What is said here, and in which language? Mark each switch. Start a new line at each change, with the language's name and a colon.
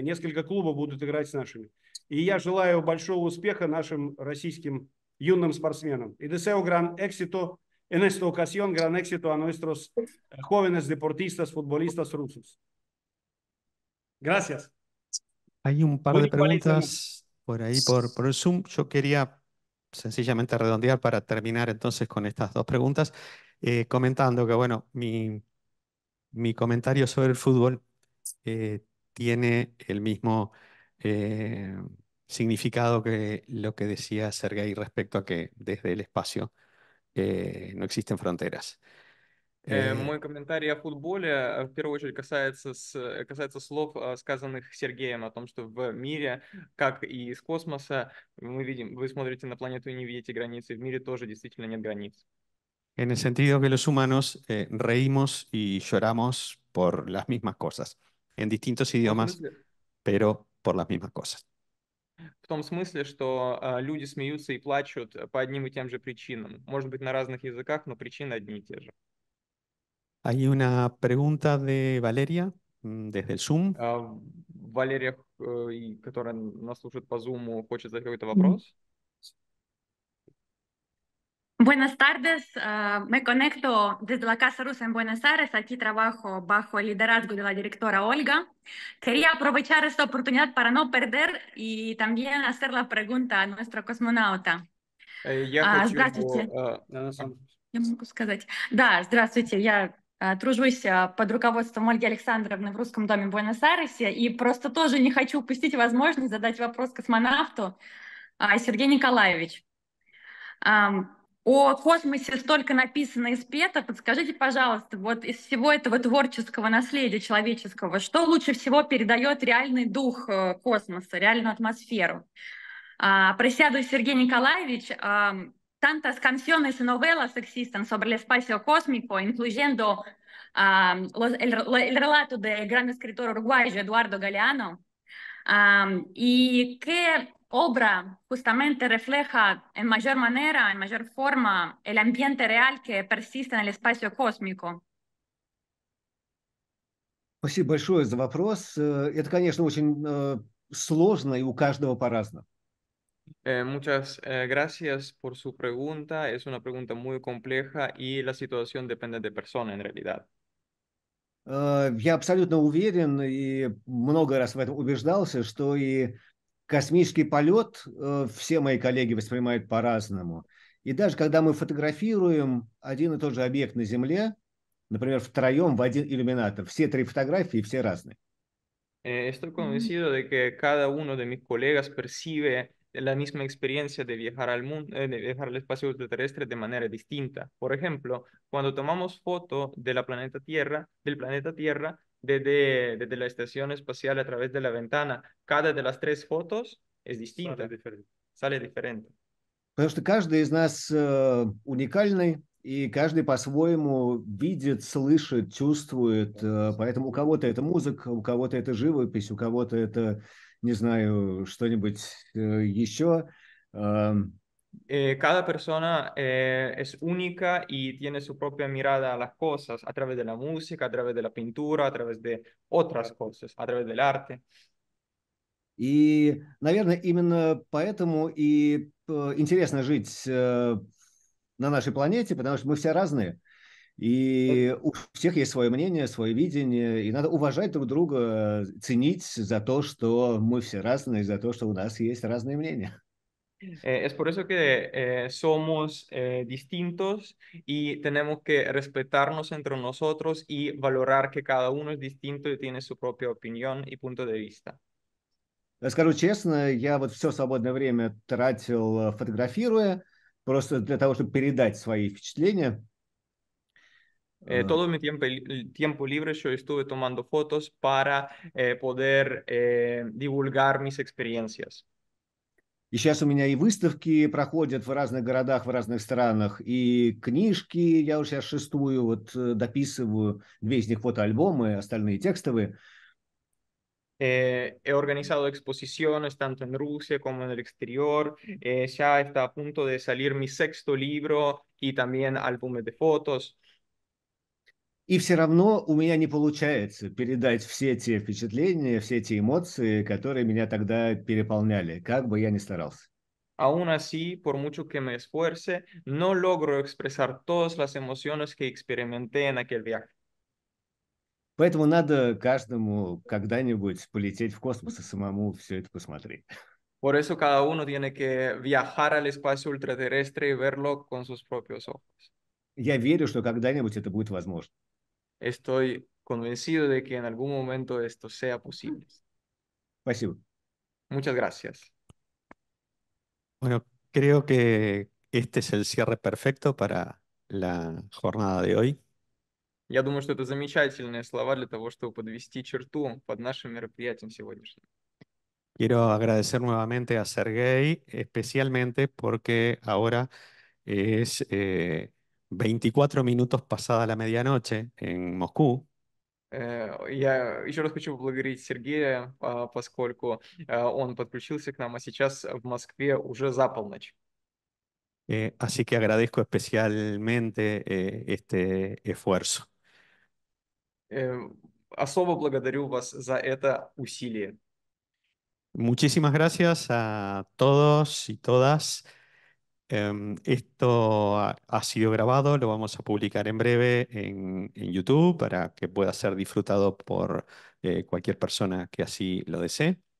Russian: Несколько клубов будут играть с нашими. И я желаю большого успеха нашим российским юным спортсменам.
Spanish: И deseo gran éxito en esta ocasión, gran éxito a nuestros jóvenes deportistas, futbolistas rusos. Gracias. Hay un par de preguntas por ahí, por el Zoom. Yo quería sencillamente redondear para terminar entonces con estas dos preguntas, comentando que, bueno, mi comentario sobre el fútbol tiene el mismo significado que lo que decía Sergei respecto a que desde el espacio no existen fronteras.
Russian: Мой комментарий о футболе в первую очередь касается слов, сказанных Сергеем о том, что в мире, как и из космоса, вы смотрите на планету и не видите границы, в мире тоже действительно нет границ.
Spanish: En el sentido que los humanos reímos y lloramos por las mismas cosas, en distintos idiomas, pero por las mismas cosas.
Russian: В том смысле, что люди смеются и плачут по одним и тем же причинам. Может быть, на разных языках, но причины одни и те же.
Spanish: Hay una pregunta de Valeria desde el Zoom.
Russian: Валерия, которая нас слушает по Zoom, хочет задать какой-то вопрос. Mm-hmm.
Spanish: Buenas tardes, me conecto desde la Casa Rusa en Buenos Aires. Aquí trabajo bajo el liderazgo de la directora Olga. Quería aprovechar esta oportunidad para no perder y también hacer la pregunta a nuestro cosmonauta.
Russian: Здравствуйте, я тружусь под руководством Ольги Александровны в Русском доме в Буэнос-Айресе и просто тоже не хочу упустить возможность задать вопрос космонавту Сергею Николаевичу. О космосе столько написано и спето, подскажите, пожалуйста, вот из всего этого творческого наследия человеческого, что лучше всего передает реальный дух космоса, реальную атмосферу? Присядусь, Сергей Николаевич.
Spanish: Tantas canciones y novelas existen sobre el espacio cósmico, incluyendo el relato del gran escritor uruguayo Eduardo Galeano. ¿Y qué obra justamente refleja en mayor manera, en mayor forma, el ambiente real que persiste en el espacio cósmico?
Russian: Спасибо большое за вопрос. Это, конечно, очень сложно и у каждого по-разному.
Spanish: Muchas gracias por su pregunta. Es una pregunta muy compleja y la situación depende de persona, en realidad.
Russian: Я абсолютно уверен и много раз в этом убеждался, что и космический полет все мои коллеги воспринимают по-разному. И даже когда мы фотографируем один и тот же объект на Земле, например, втроем в один иллюминатор, все три фотографии все разные.
Spanish: Estoy convencido de que cada uno de mis colegas percibe la misma experiencia de viajar al mundo, de viajar al espacio ultraterrestre de manera distinta. Por ejemplo, cuando tomamos foto de la planeta Tierra, del planeta Tierra, desde la estación espacial a través de la ventana, cada de las tres fotos es distinta. Sale diferente. Sale diferente.
Russian: Потому что каждый из нас уникальный, и каждый по-своему видит, слышит, чувствует. Поэтому у кого-то это музыка, у кого-то это живопись, у кого-то это, не знаю, что-нибудь еще.
Spanish: Cada persona es única y tiene su propia mirada a las cosas a través de la música, a través de la pintura, a través de otras cosas, a través del arte.
Russian: И, наверное, именно поэтому и интересно жить на нашей планете, потому что мы все разные. И у всех есть свое мнение, свое видение, и надо уважать друг друга, ценить за то, что мы все разные, за то, что у нас есть разные мнения.
Spanish: Es por eso que somos distintos y tenemos que respetarnos entre nosotros y valorar que cada uno es distinto y tiene su propia opinión y punto de vista.
Russian: Скажу честно, я вот все свободное время тратил, фотографируя, просто для того, чтобы передать свои впечатления.
Spanish: Todo mi tiempo libre yo estuve tomando fotos para poder divulgar mis experiencias.
Russian: И сейчас у меня и выставки проходят в разных городах, в разных странах, и книжки, я уже сейчас шестую вот дописываю, две из них фотоальбомы, остальные текстовые.
Spanish: He organizado exposiciones tanto en Rusia como en el exterior. Ya está a punto de salir mi sexto libro y también álbumes de fotos.
Russian: И все равно у меня не получается передать все те впечатления, все те эмоции, которые меня тогда переполняли, как бы я ни старался.
Spanish: Aún así, por mucho que me esfuerce, no logro expresar todas las emociones que experimenté en aquel viaje.
Russian: Поэтому надо каждому когда-нибудь полететь в космос и самому все это посмотреть.
Spanish: Por eso cada uno tiene que viajar al espacio ultraterrestre y verlo con sus propios ojos.
Russian: Я верю, что когда-нибудь это будет возможно.
Spanish: Estoy convencido de que en algún momento esto sea posible.
Russian: Спасибо.
Spanish: Muchas gracias. Bueno, creo que este es el cierre perfecto para la jornada de hoy.
Russian: Я думаю, что это замечательные слова для того, чтобы подвести черту под нашим мероприятием сегодняшним.
Spanish: Quiero agradecer nuevamente a Sergei, especialmente porque ahora es 24 minutos pasada la medianoche en Moscú.
Russian: Я еще раз хочу поблагодарить Сергея, поскольку он подключился к нам, а сейчас в Москве уже за полночь.
Spanish: Así que agradezco especialmente este esfuerzo.
Russian: Особо благодарю вас за это усилие.
Spanish: Muchísimas gracias a todos y todas. Esto ha sido grabado, lo vamos a publicar en breve en YouTube para que pueda ser disfrutado por cualquier persona que así lo desee.